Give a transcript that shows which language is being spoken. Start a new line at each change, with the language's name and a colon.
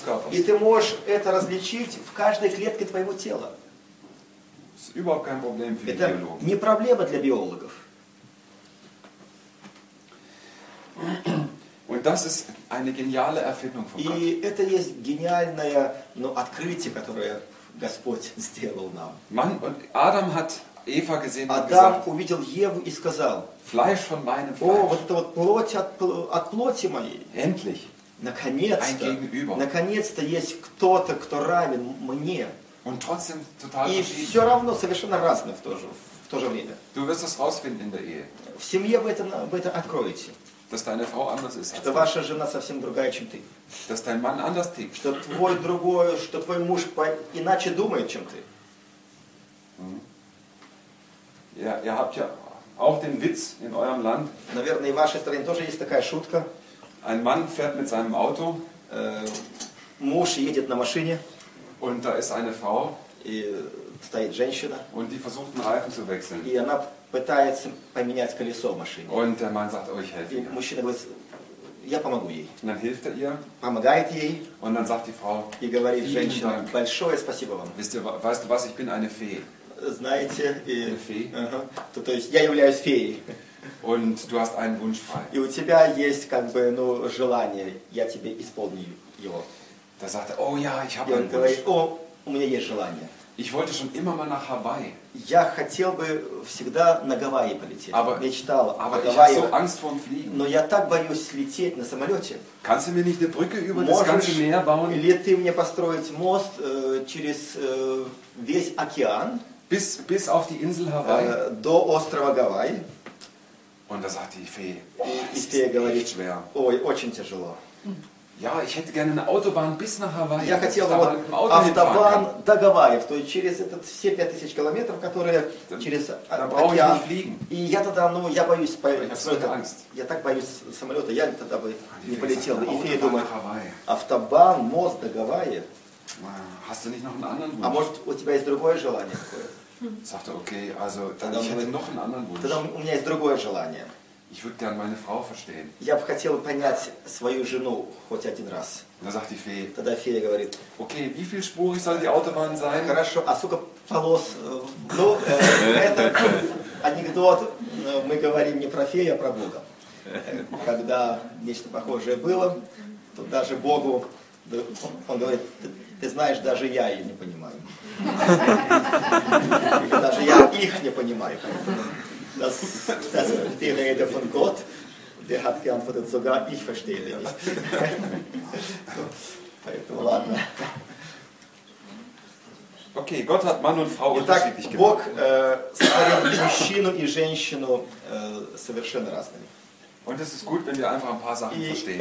Russian: И ты можешь это различить в каждой клетке твоего тела. Это не проблема для биологов.
German: Und das ist eine geniale Erfindung von
Russian: И
German: Gott.
Russian: Это есть гениальное открытие, которое Господь сделал нам.
German: Man, und Adam hat Eva gesehen und
Russian: Адам
German: gesagt,
Russian: увидел Еву и сказал,
German: Fleisch von meinem Fleisch.
Russian: О, вот это вот плоть от плоти моей.
German: Endlich.
Russian: Наконец-то.
German: Ein Gegenüber.
Russian: Наконец-то есть кто-то, кто равен мне.
German: Und trotzdem total
Russian: и все равно совершенно разный в то же, в в то же время.
German: Du wirst es rausfinden in der Ehe.
Russian: В семье вы это откроете.
German: Dass deine Frau anders ist.
Russian: Что ваша жена совсем другая, чем ты.
German: Dass dein Mann anders tickt.
Russian: Что твой другой, что твой муж иначе думает, чем ты.
German: Ja, ihr habt ja auch den Witz in eurem Land.
Russian: Наверное, в вашей стране тоже есть такая шутка.
German: Ein Mann fährt mit seinem Auto.
Russian: Муж едет на машине.
German: Und da ist eine Frau.
Russian: И стоит женщина.
German: Und die versucht einen Reifen zu wechseln.
Russian: И она пытается поменять колесо машины.
German: Und der Mann sagt, oh, ich helfe ihr.
Russian: И мужчина говорит, я помогу ей.
German: Und dann hilft er ihr.
Russian: Помогает ей.
German: Und dann sagt die Frau,
Russian: и говорит женщина, большое спасибо вам.
German: Weißt du was, ich bin eine Fee.
Russian: Знаете, и, uh-huh, то есть я являюсь феей.
German: Und du hast einen Wunsch frei.
Russian: И у тебя есть как бы ну желание, я тебе исполню его.
German: Da sagt er, oh ja, ich habe einen Wunsch.
Russian: О, у меня есть желание.
German: Ich wollte schon immer mal nach Hawaii.
Russian: Я хотел бы всегда на Гавайи полететь.
German: Aber,
Russian: мечтал
German: aber
Russian: о Гавайях.
German: Ich habe so Angst vor dem Fliegen.
Russian: Но я так боюсь лететь на самолете.
German: Kannst du mir nicht eine Brücke über das ganze Meer bauen?
Russian: Или ты мне построить мост через весь океан?
German: Bis auf die Insel Hawaii.
Russian: До острова Гавайи.
German: Und da sagt die Fee, es ist echt schwer.
Russian: Ой, очень тяжело.
German: Ja, ich hätte gerne eine Autobahn bis nach Hawaii.
Russian: Я хотел бы автобан до Гавайев, то есть через этот все 5000 километров, которые через океан. И я тогда, ну, я боюсь полетать. Я так боюсь самолета, я тогда бы не полетел. И Фея думает, автобан, мост до Гавайи.
German: Hast du nicht noch einen anderen Wunsch?
Russian: А может, у тебя есть другое желание такое?
German: Sagte okay, also dann ich hätte noch einen anderen Wunsch.
Russian: Тогда у меня есть другое желание.
German: Ich würde gerne meine Frau verstehen.
Russian: Я бы хотел понять свою жену хоть один раз.
German: Dann sagt die Fee.
Russian: Тогда Фея говорит.
German: Okay, wie viel spurig soll die Autobahn sein?
Russian: Хорошо, а сколько полос? Ну, это анекдот. Мы говорим не про Фею, а про Бога. Когда нечто похожее было, то даже Богу, он говорит, ты знаешь, даже я ее не понимаю. Даже я их не понимаю.
German: Das die Rede von Gott, der hat geantwortet, sogar ich verstehe ihn nicht.
Russian: Поэтому ладно.
German: Okay, Gott hat Mann und Frau unterschiedlich gemacht.
Russian: Итак, Бог создал мужчину и женщину совершенно разными.
German: Und es ist gut, wenn wir einfach ein paar Sachen verstehen.